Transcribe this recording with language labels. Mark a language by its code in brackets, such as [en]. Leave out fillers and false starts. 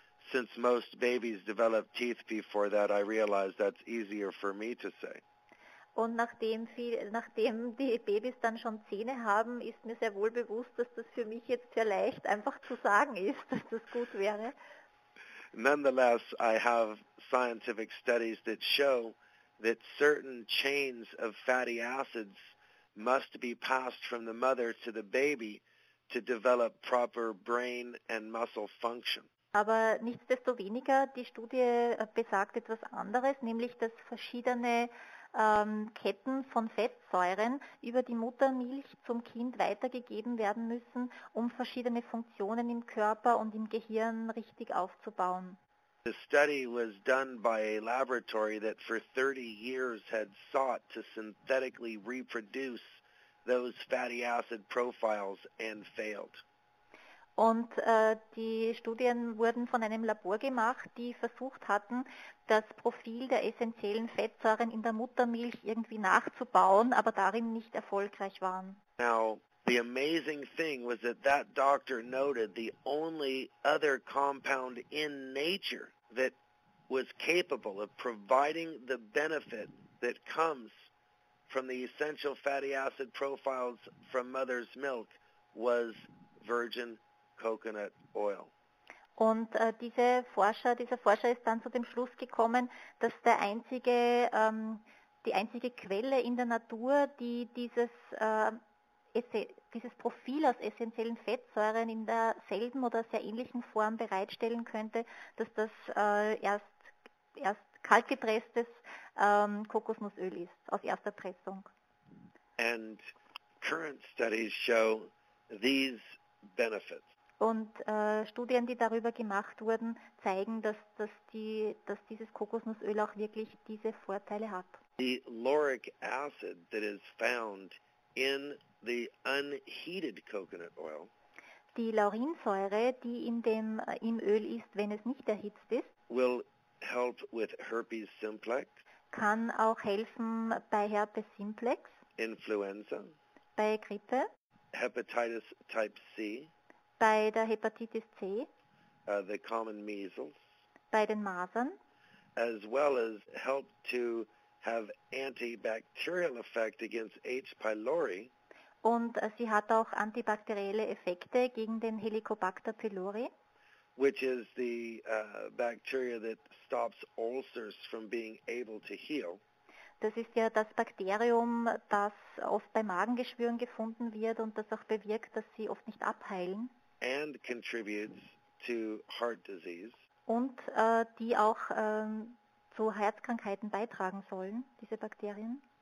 [en] Since most babies develop teeth before that, I realize that's easier for me to say. [de] Und nachdem die Babys dann schon Zähne haben, ist mir sehr wohl bewusst, dass das für mich jetzt sehr leicht einfach zu sagen ist, dass das gut wäre. [en] Nonetheless, I have scientific studies that show that certain chains of fatty acids must be passed from the mother to the baby to develop proper brain and muscle function. [de] Aber nichtsdestoweniger, die Studie besagt etwas anderes, nämlich dass verschiedene Ketten von Fettsäuren über die Muttermilch zum Kind weitergegeben werden müssen, um verschiedene Funktionen im Körper und im Gehirn richtig aufzubauen. [en] The study was done by a laboratory that for 30 years had sought to synthetically reproduce those fatty acid profiles and failed. [de] Und die Studien wurden von einem Labor gemacht, die versucht hatten, das Profil der essentiellen Fettsäuren in der Muttermilch irgendwie nachzubauen, aber darin nicht erfolgreich waren. [en] Now, the amazing thing was that that doctor noted the only other compound in nature that was capable of providing the benefit that comes from the essential fatty acid profiles from mother's milk was virgin coconut oil. [de] Und dieser Forscher ist dann zu dem Schluss gekommen, dass der einzige, die einzige Quelle in der Natur, die dieses Profil aus essentiellen Fettsäuren in derselben oder sehr ähnlichen Form bereitstellen könnte, dass das erst kaltgepresstes Kokosnussöl ist, aus erster Pressung. [en] And current studies show these benefits. [de] Und Studien, die darüber gemacht wurden, zeigen, dass dieses Kokosnussöl auch wirklich diese Vorteile hat. [en] The lauric acid that is found in the unheated coconut oil, [de] die Laurinsäure, die in dem im Öl ist, wenn es nicht erhitzt ist, [en] will help with herpes simplex, [de] kann auch helfen bei Herpes simplex, [en] Influenza, [de] bei Grippe, [en] Hepatitis type C, [de] bei der Hepatitis C, [en] the common measles, [de] bei den Masern, [en] as well as help to have antibacterial effect against H. pylori. [de] Und sie hat auch antibakterielle Effekte gegen den Helicobacter pylori, [en] which is the bacteria that stops ulcers from being able to heal. [de] Das ist ja das Bakterium, das oft bei Magengeschwüren gefunden wird und das auch bewirkt, dass sie oft nicht abheilen. [en] And contributes to heart disease. [de] Und die auch zu Herzkrankheiten beitragen sollen, diese Bakterien.